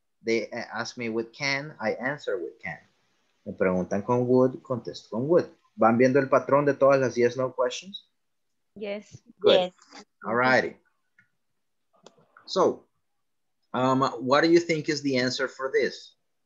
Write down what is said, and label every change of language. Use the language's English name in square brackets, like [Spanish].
[English] They ask me with can, I answer with can. [Spanish] Me preguntan con would, contesto con would. ¿Van viendo el patrón de todas las [English] yes, no questions? Yes. Good. Yes. All righty. So, what do you think is the answer for this?